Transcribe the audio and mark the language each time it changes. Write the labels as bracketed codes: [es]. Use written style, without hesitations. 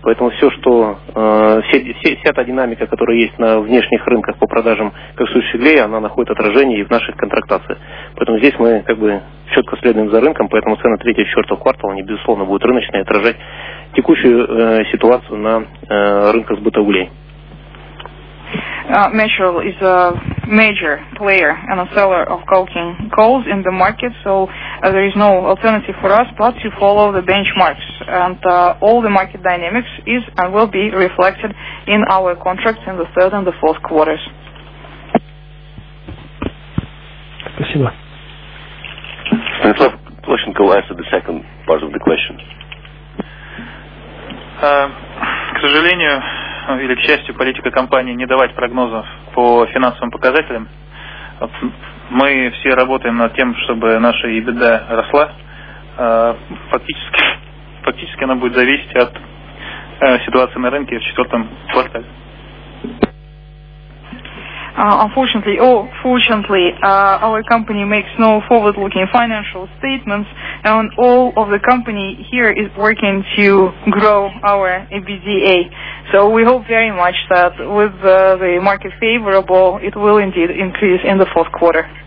[ru] Поэтому все, что вся та динамика, которая есть на внешних рынках по продажам коксующих углей, она находит отражение и в наших контрактациях. Поэтому здесь мы как бы четко следуем за рынком, поэтому цены третьего и четвертого квартала, они, безусловно, будут рыночные, отражать текущую ситуацию на рынках сбыта углей. [en] Mitchell is a major player and a seller of coking coals in the market, so there is no alternative for us but to follow the benchmarks, and all the market dynamics is and will be reflected in our contracts in the third and the fourth quarters. [ru] Спасибо. [en] Станислав Площенко will answer the second part of the question. [ru] К сожалению, или, к счастью, политика компании не давать прогнозов по финансовым показателям. Мы все работаем над тем, чтобы наша EBITDA росла. Фактически она будет зависеть от ситуации на рынке в четвертом квартале. [en] Unfortunately, our company makes no forward-looking financial statements, and all of the company here is working to grow our EBITDA. So we hope very much that with the market favorable, it will indeed increase in the fourth quarter.